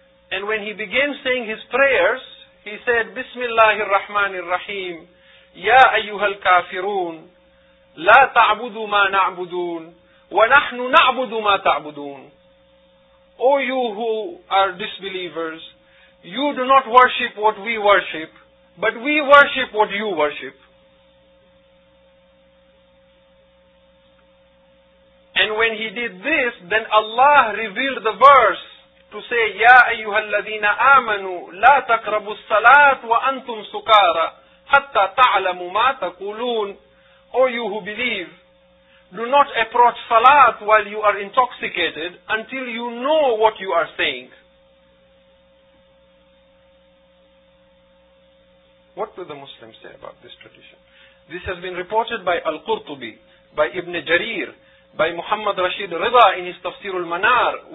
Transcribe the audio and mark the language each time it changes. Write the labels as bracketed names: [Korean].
[English] And when he began saying his prayers, he said, [Arabic] Bismillah ar-Rahman ar-Rahim, Ya ayyuhal kafirun, لا تعبدوا ما نعبدون ونحن نعبد ما تعبدون. [English] O you who are disbelievers, you do not worship what we worship, but we worship what you worship. And when he did this, then Allah revealed the verse to say, [Arabic] يا أيها الذين آمنوا لا تقربوا الصلاة وأنتم سكارى حتى تعلموا ما تقولون. [English] O you who believe, do not approach Salat while you are intoxicated until you know what you are saying. What do the Muslims say about this tradition? This has been reported by Al-Qurtubi, by Ibn Jarir, by Muhammad Rashid Rida in his Tafsir al-Manar.